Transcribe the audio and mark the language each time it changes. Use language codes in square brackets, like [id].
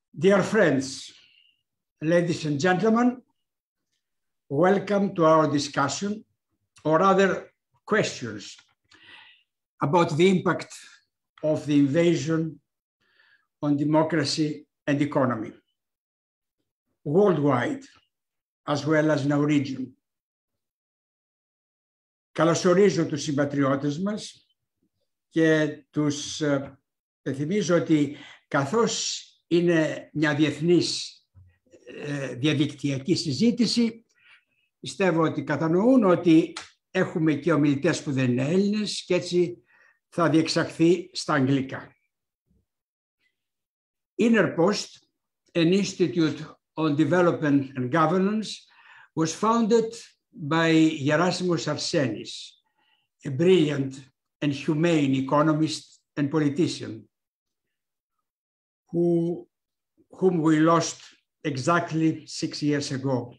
[en] Dear friends, ladies and gentlemen, welcome to our discussion, or rather questions, about the impact of the invasion on democracy and economy, worldwide, as well as in our region. [el] Καλώς ορίζω τους συμπατριώτες μας και τους θυμίζω ότι καθώς είναι μια διεθνής διαδικτυακή συζήτηση, πιστεύω ότι κατανοούν ότι έχουμε και ομιλητές που δεν είναι Έλληνες και έτσι θα διεξαχθεί στα αγγλικά. [en] INERPOST, an Institute on Development and Governance, was founded by Gerasimos Arsenis, a brilliant and humane economist and politician, whom we lost exactly 6 years ago.